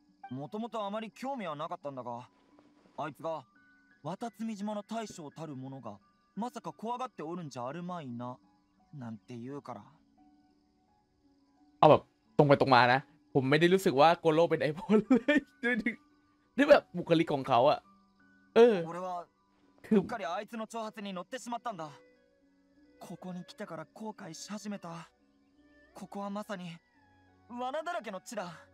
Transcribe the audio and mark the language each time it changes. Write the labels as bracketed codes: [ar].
[ja] もともとあまり興味はなかったんだが、あいつが渡辺島の大将たる者がまさか怖がっておるんじゃあるまいな、なんて言うから。 [th] あ、ตรงไปตรงมานะ。 ผมไม่ได้รู้สึกว่าโกโร่เป็นไอ้พ่อเลย。 ด้วยแบบบุคลิกของเขาอ่ะ。 [ja] 俺はうっかりあいつの挑発に乗ってしまったんだ。ここに来てから後悔し始めた。ここはまさに罠だらけの地だ。